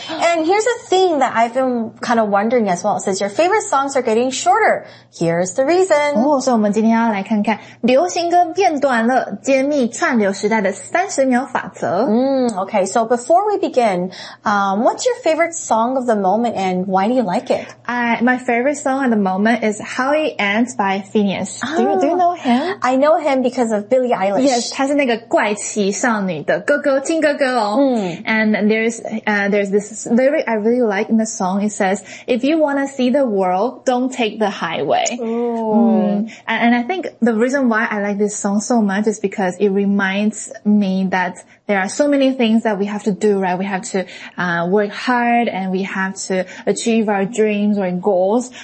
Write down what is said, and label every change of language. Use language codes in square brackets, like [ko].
[en] And here's a thing that I've been kind of wondering as well. It says your favorite songs are getting shorter. Here's the reason. [zh] Oh, so 我们今天要来看看流行歌变短了，揭秘串流时代的30秒法则。 [en] Okay, so before we begin, what's your favorite song of the moment and why do you like it? My favorite song at the moment is How It Ends by Phineas. Do you know him? I know him because of Billie Eilish. [zh] Yes, 他是那个怪奇少女的哥哥，亲哥哥哦。 [en] And there's this lyric I really like in the song. It says, if you want to see the world, don't take the highway. And I think the reason why I like this song so much is because it reminds me that there are so many things that we have to do, right? We have to work hard and we have to achieve our dreams or goals.